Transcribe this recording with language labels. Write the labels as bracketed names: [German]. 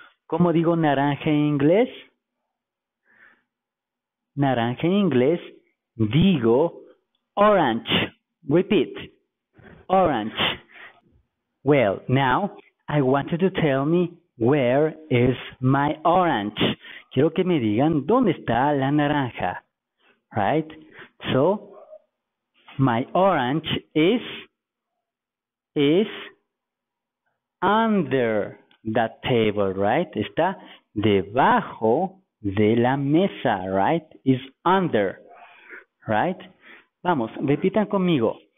[Spanish] ¿Cómo digo naranja en inglés? Naranja en inglés digo orange. Repeat. Orange. [English] Well, now I want you to tell me where is my orange. [Spanish] Quiero que me digan dónde está la naranja. [English] Right? So, my orange is under the table, right? [Spanish] Está debajo de la mesa, right? [English] Is under, right? [Spanish] Vamos, repitan conmigo.